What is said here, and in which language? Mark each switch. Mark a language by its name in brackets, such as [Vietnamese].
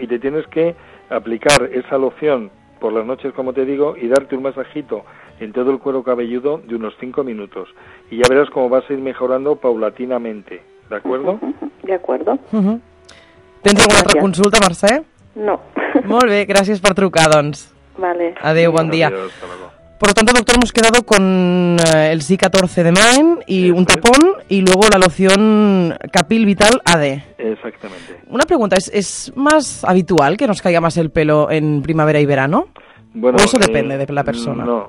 [Spanish] Y te tienes que aplicar esa loción por las noches, como te digo, y darte un masajito en todo el cuero cabelludo de unos 5 minutos. Y ya verás cómo vas a ir mejorando paulatinamente. ¿De acuerdo? De acuerdo. [Catalan] ¿Tens alguna altra consulta, Mercè? No. Molt bé, gràcies per trucar, doncs. Vale. Adéu, bon dia. Adéu, [Spanish] hasta luego. Por lo tanto, doctor, hemos quedado con el SI-14 de Maine y un tapón y luego la loción Capil Vital AD. Exactamente. Una pregunta, ¿es más habitual que nos caiga más el pelo en primavera y verano? Bueno, ¿o eso depende de la persona?